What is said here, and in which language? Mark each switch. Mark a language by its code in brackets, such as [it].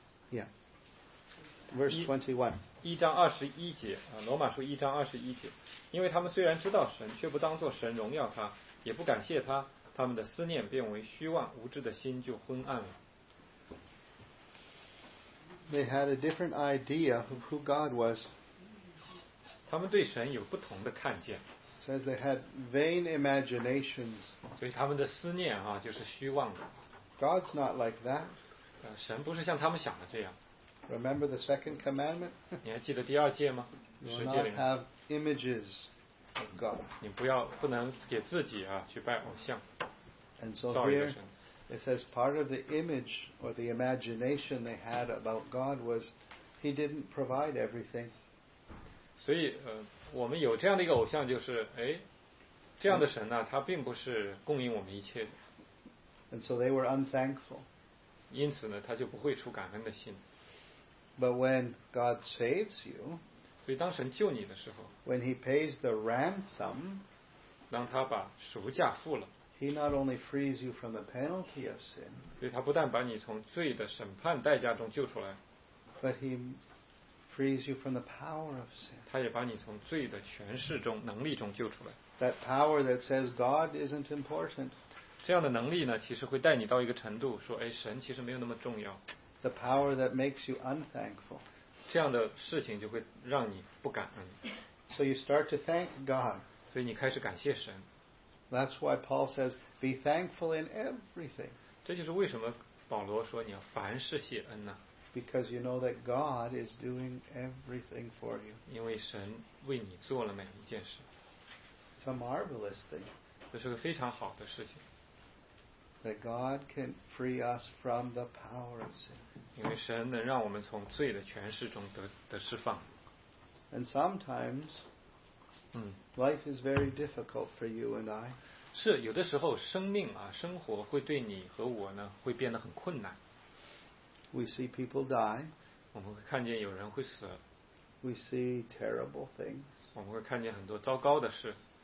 [en] Yeah. Verse 21. [zh] 一章二十一节啊，罗马书一章二十一节，因为他们虽然知道神，却不当作神荣耀他，也不感谢他，他们的思念变为虚妄，无知的心就昏暗了。 [en] They had a different idea of who God was. [zh] 他们对神有不同的看见。 [en] Says they had vain imaginations. [zh] 所以他们的思念啊，就是虚妄的。 [en] God's not like that. [zh] 神不是像他们想的这样。 [en] Remember the second commandment? [zh] 你还记得第二诫吗？ [en] You will not have images of God. [zh] 你不能给自己啊去拜偶像。 [en] And so here it says part of the image or the imagination they had about God was He didn't provide everything. [zh] 所以我们有这样的一个偶像就是哎，这样的神呢、啊，他并不是供应我们一切的。 [en] And so they were unthankful. [zh] 因此呢，他就不会出感恩的心。 [en] But when God saves you, [zh] 所以当神救你的时候， [en] when he pays the ransom, [zh] 当他把赎价付了， [en] he not only frees you from the penalty of sin, [zh] 所以他不但把你从罪的审判代价中救出来， [en] but he frees you from the power of sin, [zh] 他也把你从罪的权势中能力中救出来。 [en] That power that says God isn't important, [zh] 这样的能力呢，其实会带你到一个程度，说哎，神其实没有那么重要。 [en] The power that makes you unthankful. [zh] 这样的事情就会让你不感恩。 [en] So you start to thank God. [zh] 所以你开始感谢神。 [en] That's why Paul says, be thankful in everything. [zh] 这就是为什么保罗说你要凡事谢恩呢？ [en] Because you know that God is doing everything for you. [zh] 因为神为你做了每一件事。 [en] It's a marvelous thing. [zh] 这是个非常好的事情。 [en] That God can free us from the power of sin. [zh] 因为神能让我们从罪的权势中 得释放。 [en] And sometimes,life is very difficult for you and I. [zh] 是，有的时候生命啊，生活会对你和我呢，会变得很困难。 [en] We see people die. [zh] 我们会看见有人会死。 [en] We see terrible things. [zh] 我们会看见很多糟糕的事。